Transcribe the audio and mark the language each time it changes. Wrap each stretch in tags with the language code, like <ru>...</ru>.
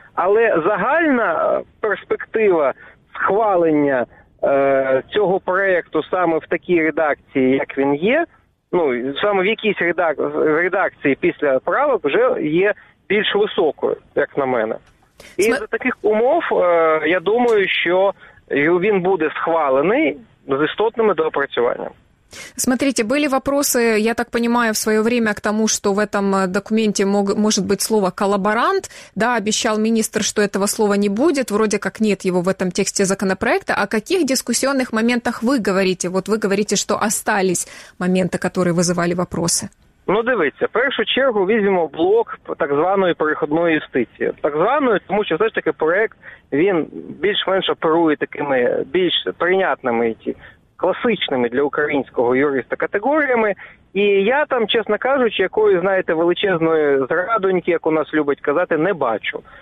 <uk>Але загальна перспектива схвалення цього проекту саме в такій редакції, як він є, ну, саме в якійсь редакції після правок вже є більш високою, як на мене. І за таких умов, я думаю, що він буде схвалений з істотними доопрацюваннями.</uk> <ru>Смотрите, были вопросы, я так понимаю, в свое время к тому, что в этом документе может быть слово «коллаборант». Да, обещал министр, что этого слова не будет. Вроде как нет его в этом тексте законопроекта. О каких дискуссионных моментах вы говорите? Вот вы говорите, что остались моменты, которые вызывали вопросы.</ru> <uk>Ну, дивіться, в першу чергу візьмемо блок так званої перехідної юстиції. Так званої, тому що, все ж таки, проєкт, він більш-менш оперує такими більш прийнятними, ті, класичними для українського юриста категоріями. І я там, чесно кажучи, якої, знаєте, величезної зрадоньки, як у нас любить казати, не бачу.</uk>